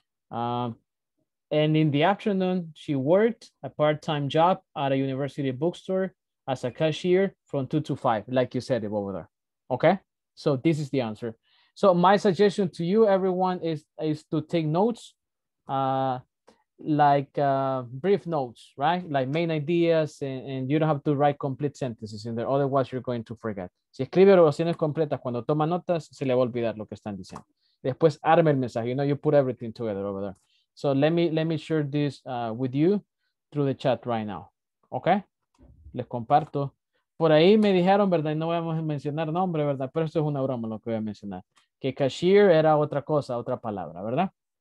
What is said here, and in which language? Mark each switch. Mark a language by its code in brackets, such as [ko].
[en] And in the afternoon, she worked a part-time job at a university bookstore as a cashier from 2 to 5, like you said it over there. Okay, so this is the answer. So my suggestion to you, everyone, is to take notes, brief notes, right? Like main ideas, and you don't have to write complete sentences in there, otherwise you're going to forget. [es] Si escribe oraciones completas cuando toma notas, se le va a olvidar lo que están diciendo. Después arme el mensaje, [en] you know, you put everything together over there. So let me share this with you through the chat right now, okay? [es] Les comparto. Por ahí me dijeron, ¿verdad? Y no vamos a mencionar nombre, ¿verdad? Pero esto es una broma lo que voy a mencionar. Que cashier era otra cosa, otra palabra, ¿verdad?